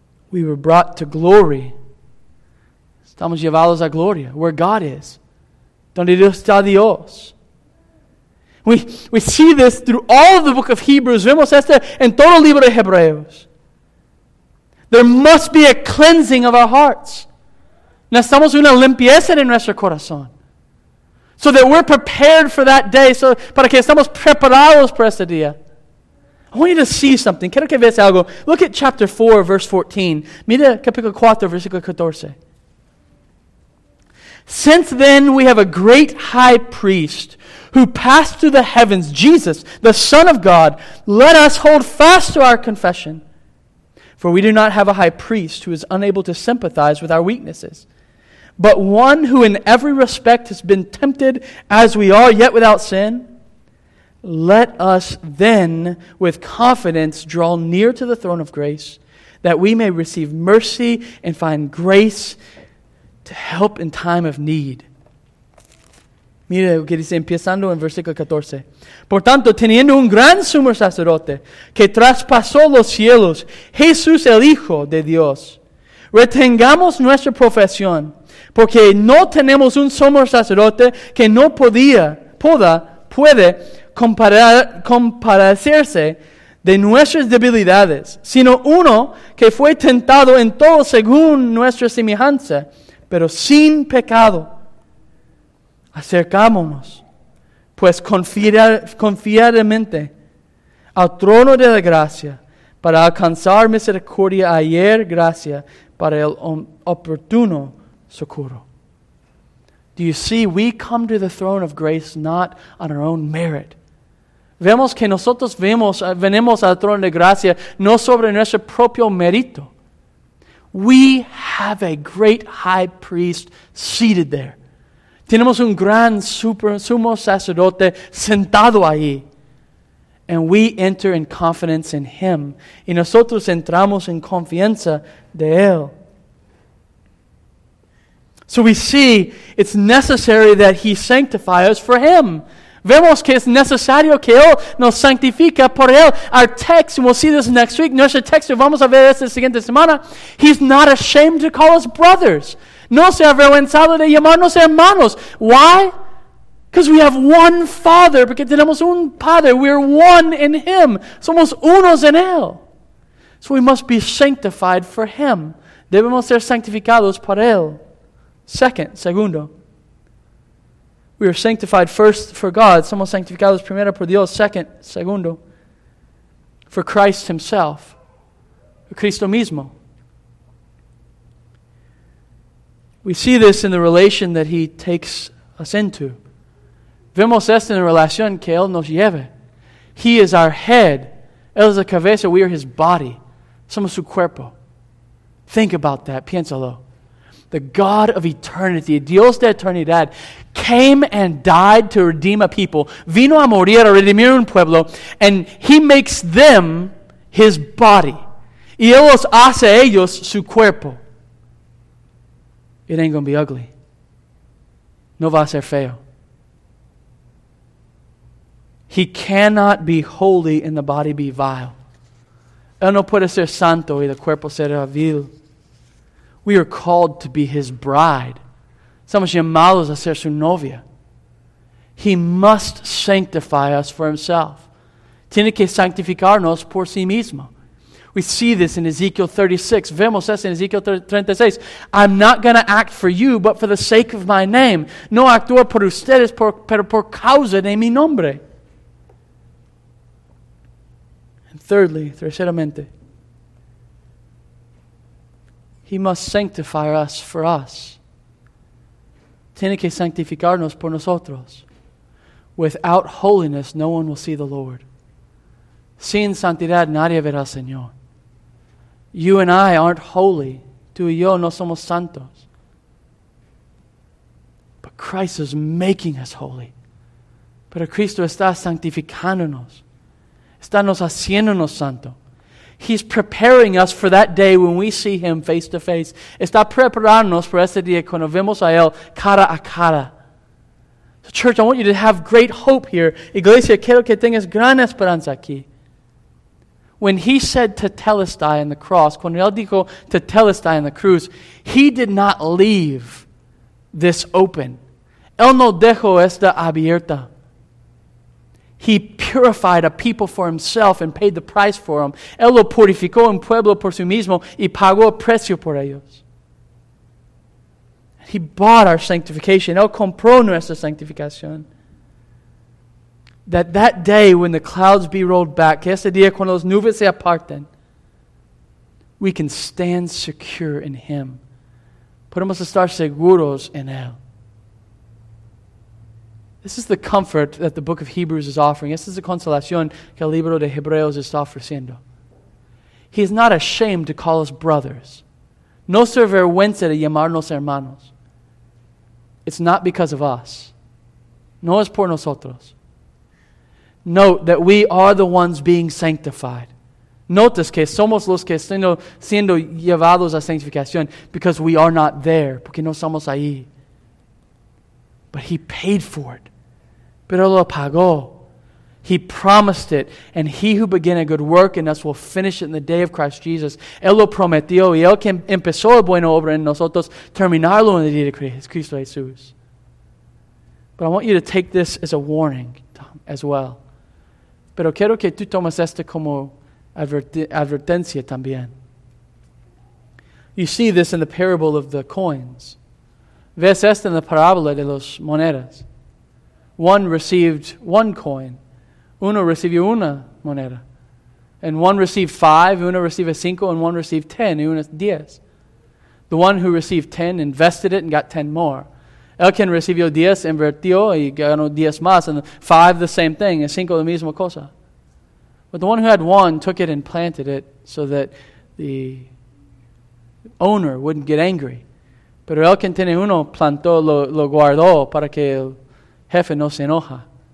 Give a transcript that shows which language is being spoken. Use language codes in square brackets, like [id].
[en] We were brought to glory. [es] Estamos llevados a gloria, [en] where God is. [es] Donde Dios está Dios. [en] We see this through all of the book of Hebrews. [es] Vemos esto en todo el libro de Hebreos. [en] There must be a cleansing of our hearts. [es] Necesitamos una limpieza en nuestro corazón. [en] So that we're prepared for that day. [es] So para que estamos preparados para ese día. [en] I want you to see something. [es] Quiero que veas algo. [en] Look at chapter 4, verse 14. [es] Mira capítulo 4, versículo 14. [en] Since then we have a great high priest who passed through the heavens, Jesus, the Son of God. Let us hold fast to our confession. For we do not have a high priest who is unable to sympathize with our weaknesses, but one who in every respect has been tempted as we are, yet without sin. Let us then with confidence draw near to the throne of grace, that we may receive mercy and find grace to help in time of need. [es] Mira lo que dice, empezando en versículo 14. Por tanto, teniendo un gran sumo sacerdote que traspasó los cielos, Jesús el Hijo de Dios, retengamos nuestra profesión, porque no tenemos un sumo sacerdote que no puede comparecerse de nuestras debilidades, sino uno que fue tentado en todo según nuestra semejanza, pero sin pecado. Acercámonos, pues confiadamente al trono de la gracia para alcanzar misericordia y hallar gracia para el oportuno socorro. [en] Do you see, we come to the throne of grace not on our own merit. [es] Vemos que nosotros venimos al trono de gracia no sobre nuestro propio mérito. [en] We have a great high priest seated there. [es] Tenemos un gran sumo sacerdote sentado ahí. [en] And we enter in confidence in him. [es] Y nosotros entramos en confianza de él. [en] So we see it's necessary that he sanctify us for him. [es] Vemos que es necesario que él nos sanctifica por él. [en] Our text, and we'll see this next week, [es] nuestro texto, vamos a ver esta siguiente semana. [en] He's not ashamed to call us brothers. [es] No se avergonzado de llamarnos hermanos. [en] Why? Because we have one Father, [es] porque tenemos un Padre. [en] We're one in Him. [es] Somos unos en Él. [en] So we must be sanctified for Him. [es] Debemos ser sanctificados por Él. Segundo. [en] We are sanctified first for God. [es] Somos sanctificados primero por Dios. Segundo. [en] For Christ Himself. [es] For Cristo mismo. [en] We see this in the relation that He takes us into. [es] Vemos esto en la relación que Él nos lleva. [en] He is our head. [es] Él es la cabeza. [en] We are His body. [es] Somos su cuerpo. [en] Think about that. [es] Piénsalo. [en] The God of eternity, [es] Dios de eternidad, [en] came and died to redeem a people. [es] Vino a morir, a redimir un pueblo. [en] And He makes them His body. [es] Y Él los hace ellos su cuerpo. [en] It ain't going to be ugly. [es] No va a ser feo. [en] He cannot be holy and the body be vile. [es] Él no puede ser santo y el cuerpo ser vil. [en] We are called to be His bride. [es] Somos llamados a ser su novia. [en] He must sanctify us for Himself. [es] Tiene que sanctificarnos por sí mismo. [en] We see this in Ezekiel 36. [es] Vemos esto en Ezekiel 36. [en] I'm not going to act for you, but for the sake of my name. [es] No actuar por ustedes, pero por causa de mi nombre. [en] And thirdly, terceramente, He must sanctify us for us. [es] Tiene que sanctificarnos por nosotros. [en] Without holiness, no one will see the Lord. [es] Sin santidad, nadie verá al Señor. [en] You and I aren't holy. [es] Tú y yo no somos santos. [en] But Christ is making us holy. [es] Pero Cristo está santificándonos. Está nos haciéndonos santo. [en] He's preparing us for that day when we see Him face to face. [es] Está preparándonos para ese día cuando vemos a Él cara a cara. [en] So church, I want you to have great hope here. [es] Iglesia, quiero que tengas gran esperanza aquí. [en] When He said tetelestai on the cross, [es] cuando Él dijo tetelestai on the cruz, [en] He did not leave this open. [es] Él no dejó esta abierta. [en] He purified a people for Himself and paid the price for them. [es] Él lo purificó un pueblo por sí mismo y pagó el precio por ellos. [en] He bought our sanctification. [es] Él compró nuestra sanctificación. [en] That day when the clouds be rolled back, [es] que ese día cuando las nubes se aparten, [en] we can stand secure in Him. [es] Podemos estar seguros en Él. [en] This is the comfort that the book of Hebrews is offering. [es] Esta es la consolación que el libro de Hebreos está ofreciendo. [en] He is not ashamed to call us brothers. [es] No se avergüenza de llamarnos hermanos. [en] It's not because of us. [es] No es por nosotros. [en] Note that we are the ones being sanctified. [es] Notas que somos los que están siendo llevados a sanctificación [en] because we are not there, [es] porque no somos ahí. [en] But He paid for it. [es] Pero lo pagó. [en] He promised it. And He who began a good work in us will finish it in the day of Christ Jesus. [es] Él lo prometió. Y Él que empezó la buena obra en nosotros, terminarlo en el día de Cristo Jesús. [en] But I want you to take this as a warning, Tom, as well. [es] Pero quiero que tú tomes esto como advertencia también. [en] You see this in the parable of the coins. [es] Ves esto en la parábola de las monedas. [en] One received one coin. [es] Uno recibió una moneda. [en] And one received five, [es] uno recibió cinco, [en] and one received ten, [es] y uno diez. [en] The one who received ten invested it and got ten more. [es] El que recibió diez invirtió y ganó diez más, [en] and five the same thing, and [es] cinco la misma cosa. [en] But the one who had one took it and planted it so that the owner wouldn't get angry. [es] Pero el que tiene uno plantó, lo guardó para que el jefe no se enoja.